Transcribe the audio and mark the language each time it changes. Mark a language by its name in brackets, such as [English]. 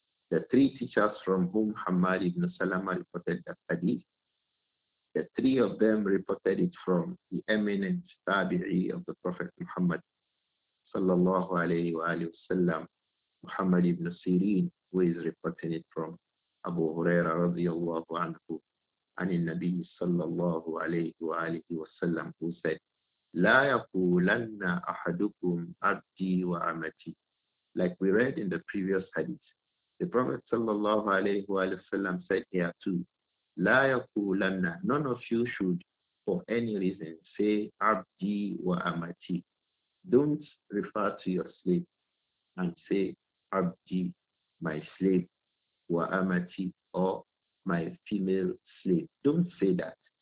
[English] The three teachers from whom Hammad ibn Salama reported the hadith, the three of them reported it from the eminent Tabi'i of the Prophet Muhammad sallallahu alayhi wa alayhi wa sallam, Muhammad ibn Sirin, who is reporting it from Abu Huraira radiallahu anhu. [Arabic] عن النبي صلى الله عليه وآله وسلم [English] who said [Arabic] لا يقولن أحدكم عبدي وعمتي [English] like we read in the previous hadith. The Prophet صلى الله عليه وآله وسلم said here too [Arabic] لا يقولن [English] none of you should for any reason say [Arabic] عبدي وعمتي [English] don't refer to your slave and say عبدي my slave وعمتي or my female slave. Don't say that.